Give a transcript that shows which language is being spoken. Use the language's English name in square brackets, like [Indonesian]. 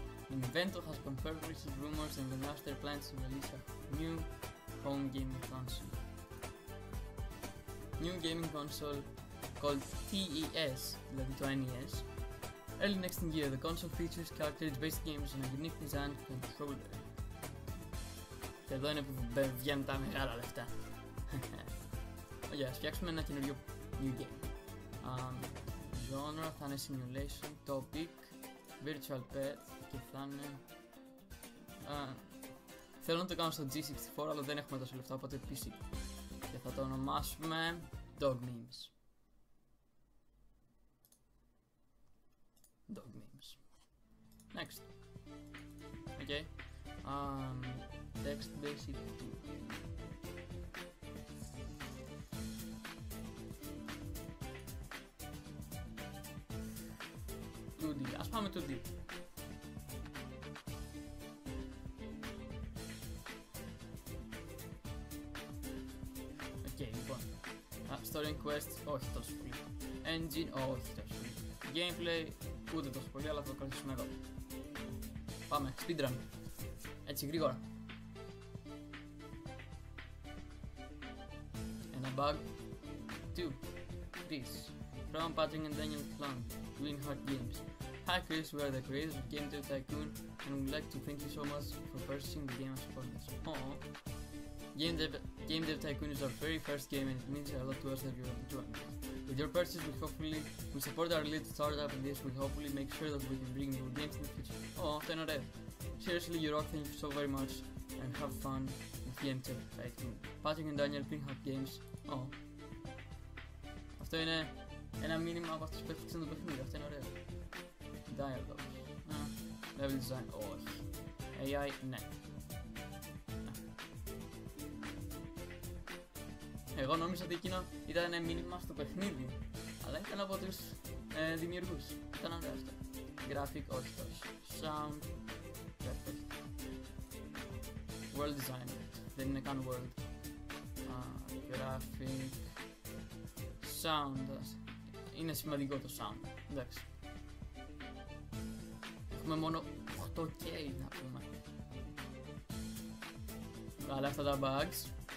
[English] Nintendo has confirmed recent rumors and announced their plans to release a new home gaming console. New gaming console called TES, [Greek] δηλαδή το [English] NES. Early next year, the console features cartridge-based games and a unique design controller. [Greek] Και εδώ είναι που βγαίνουν τα μεγάλα λεφτά. Ωραία, ας φτιάξουμε ένα καινούριο new game. Genre θα είναι simulation, topic, virtual pet και θα είναι... θέλω να το κάνω στο G64, αλλά δεν έχουμε τόσο λεφτά, οπότε PC. Και θα το ονομάσουμε Dog Memes. [English] Dog memes. Next. Okay. Text basic tool. [Greek] To D. Ας πάμε to D. Okay, λοιπόν. Story and quest, όχι τόσο πολύ. Engine, όχι τόσο πολύ. Gameplay, ούτε τόσο πολύ, αλλά θα το κρατήσουμε εδώ. Πάμε, speedrun. Έτσι, γρήγορα. [English] Ένα bug. 2. 3. Ron Patrick and Daniel Klang, Green Heart Games. Hi Chris, we are the creators of Game 2 Tycoon, and we'd like to thank you so much for purchasing the game as a bonus. Aww. Game Dev Tycoon is our very first game and it means a lot to us that you have joined us. With your purchase, we hopefully will support our little startup and this will hopefully make sure that we can bring new games in the future. Oh, then are they? Seriously, you rock, thank you so very much and have fun with Game Dev Tycoon. Patrick and Daniel, Green Heart Games. Oh. [Greek] Αυτό είναι ένα μήνυμα από αυτούς που έφτιαξαν το παιχνίδι. Αυτό είναι ωραίο. Dialogue. Level design. Όχι. AI. Ναι. Εγώ νόμιζα ότι εκείνο ήταν ένα μήνυμα στο παιχνίδι. Αλλά ήταν από τους δημιουργούς. Ήταν ωραίο αυτό. Graphic, όχι τόσο. [English] Sound, perfect. [Greek] World design, δεν είναι καν world. [English] Graphic. [Greek] Sound, είναι σημαντικό το sound. Εντάξει. Έχουμε μόνο 8K να πούμε. Βγάλε αυτά τα bugs.